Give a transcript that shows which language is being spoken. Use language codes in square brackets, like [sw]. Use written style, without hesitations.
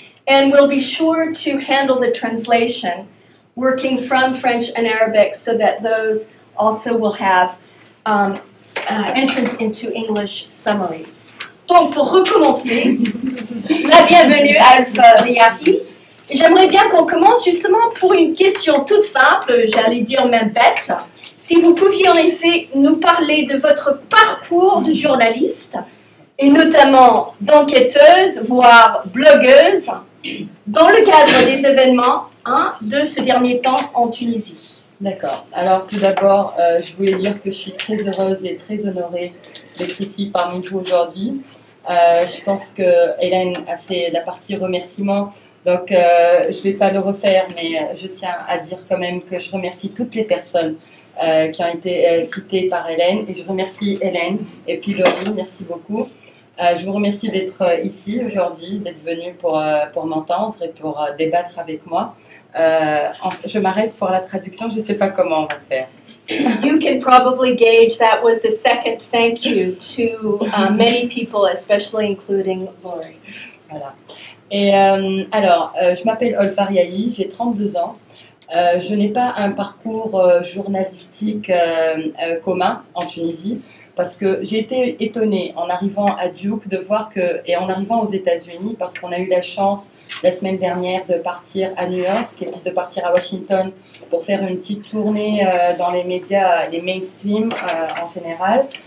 [en] And we'll be sure to handle the translation, working from French and Arabic, so that those also will have entrance into English summaries. [fr] Donc, pour recommencer, la bienvenue à Olfo Riahi. J'aimerais bien qu'on commence justement pour une question toute simple, j'allais dire même bête. Si vous pouviez en effet nous parler de votre parcours de journaliste, et notamment d'enquêteuse, voire blogueuse, dans le cadre des événements de ce dernier temps en Tunisie. D'accord. Alors tout d'abord, je voulais dire que je suis très heureuse et très honorée d'être ici parmi vous aujourd'hui. Je pense que Hélène a fait la partie remerciements, donc je ne vais pas le refaire, mais je tiens à dire quand même que je remercie toutes les personnes qui ont été citées par Hélène, et je remercie Hélène et puis Laurie, merci beaucoup. Je vous remercie d'être ici aujourd'hui, d'être venue pour m'entendre et pour débattre avec moi. Je m'arrête pour la traduction, je ne sais pas comment on va faire. [en] You can probably gauge that was the second thank you to many people, especially including Laurie. [fr] Voilà. Et je m'appelle Olfa Riahi, j'ai 32 ans. Je n'ai pas un parcours journalistique commun en Tunisie parce que j'ai été étonnée en arrivant à Duke de voir que, et en arrivant aux États-Unis, parce qu'on a eu la chance la semaine dernière de partir à New York et de partir à Washington pour faire une petite tournée dans les médias, les mainstream en général.